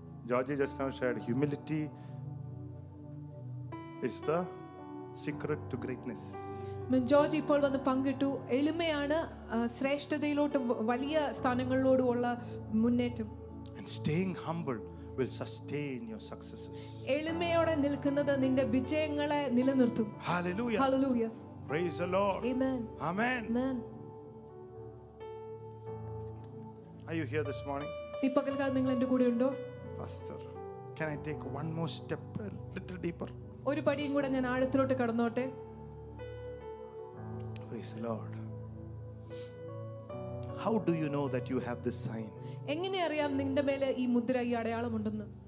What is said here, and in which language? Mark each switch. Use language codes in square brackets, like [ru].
[en] George just now shared humility is the secret to greatness. When [ml] George ഇപ്പോൾ വന്ന് പങ്കിട്ടു എളിമയാണ് ശ്രേഷ്ഠതയിലോട്ട് വലിയ സ്ഥാനങ്ങളിലോട്ട് ഉള്ള മുന്നേറ്റം. [en] And staying humble will sustain your successes. [ml] എളിമയോടെ നിൽക്കുന്നത് നിന്റെ വിജയങ്ങളെ നിലനിർത്തും. [en] Hallelujah. Hallelujah. Praise the Lord. Amen. Amen. Amen. Are you here this morning? [ml] ഈ പകൽക്കാലം നിങ്ങൾ എൻ്റെ കൂടെ ഉണ്ടോ? [en] Pastor, can I take one more step a little deeper? [ml] ഒരു പടിയും കൂടെ ഞാൻ ആഴത്തിലോട്ട് കടന്നോട്ടെ. [en] Praise the Lord. How do you know that you have this sign? [ml] എങ്ങനെ അറിയാം നിന്റെ മേലെ ഈ മുദ്ര ഈ അടയാളം ഉണ്ടെന്ന്?